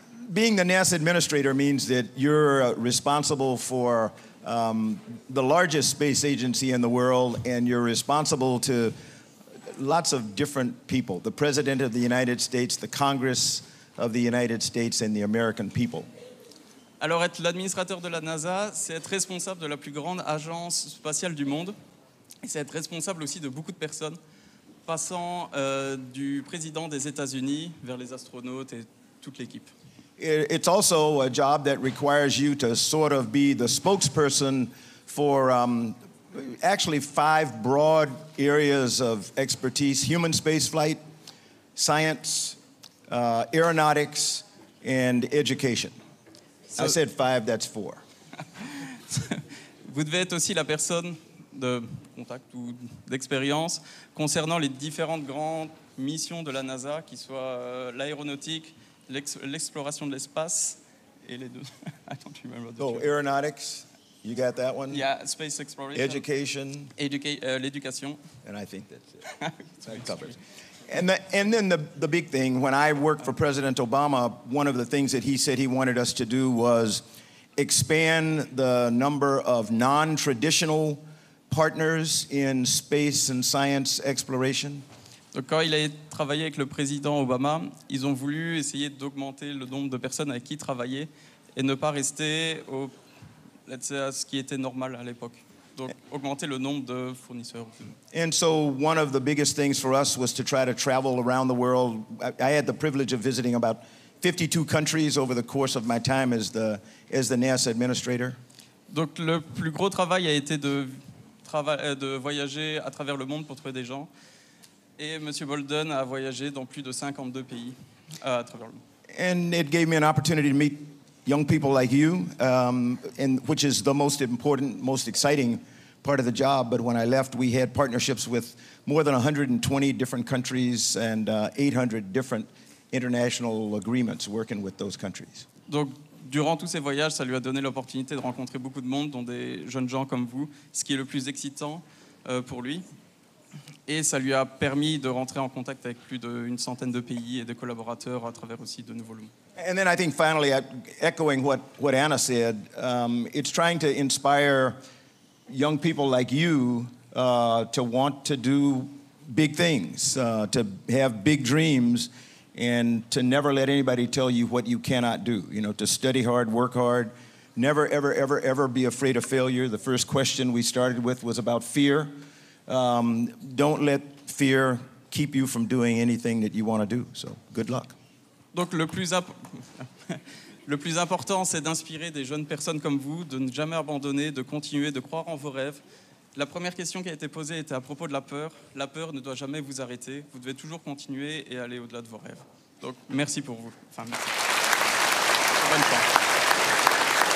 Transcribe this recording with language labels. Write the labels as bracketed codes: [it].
[en] Being the NASA administrator means that you're responsible for the largest space agency in the world, and you're responsible to lots of different people, the President of the United States, the Congress of the United States, and the American people. [fr] Alors, être l'administrateur de la NASA, c'est être responsable de la plus grande agence spatiale du monde, et c'est être responsable aussi de beaucoup de personnes, passant du président des États-Unis vers les astronautes et toute l'équipe. [en] It's also a job that requires you to sort of be the spokesperson for actually 5 broad areas of expertise: human spaceflight, science, aeronautics, and education. So, I said 5, that's 4. [fr] Vous devez être aussi la personne de contact ou d'expérience concernant les différentes grandes missions de la NASA, qui soient l'aéronautique, l'exploration de l'espace et les deux. [en] Aeronautics, you got that one? Yeah, space exploration. Education. [fr] L'éducation. [en] And I think that's it. That covers. And then the big thing, when I worked for President Obama, one of the things that he said he wanted us to do was expand the number of non-traditional partners in space and science exploration. [fr] Donc quand il a travaillé avec le président Obama, ils ont voulu essayer d'augmenter le nombre de personnes avec qui travailler et ne pas rester à ce qui était normal à l'époque. donc augmenter le nombre de fournisseurs. [en] And so one of the biggest things for us was to try to travel around the world. I had the privilege of visiting about 52 countries over the course of my time as the NAS administrator. [fr] Donc le plus gros travail a été de voyager à travers le monde pour trouver des gens. Et Monsieur Bolden a voyagé dans plus de 52 pays à travers le monde. [en] And it gave me an opportunity to meet young people like you, and which is the most important, most exciting part of the job. But when I left, we had partnerships with more than 120 different countries and 800 different international agreements working with those countries. [fr] Donc, durant tous ces voyages, ça lui a donné l'opportunité de rencontrer beaucoup de monde, dont des jeunes gens comme vous, ce qui est le plus excitant pour lui. Et ça lui a permis de rentrer en contact avec plus d'une centaine de pays et de collaborateurs à travers aussi de nouveaux lieux. [en] And then I think finally, echoing what Anna said, it's trying to inspire young people like you to want to do big things, to have big dreams, and to never let anybody tell you what you cannot do. You know, to study hard, work hard, never, ever, ever, ever be afraid of failure. The first question we started with was about fear. Don't let fear keep you from doing anything that you want to do. So, good luck. [fr] Donc, le plus important, c'est d'inspirer des jeunes personnes comme vous, de ne jamais abandonner, de continuer, de croire en vos rêves. La première question qui a été posée était à propos de la peur. La peur ne doit jamais vous arrêter. Vous devez toujours continuer et aller au-delà de vos rêves. Donc, merci pour vous. Enfin, merci. Bonne fin.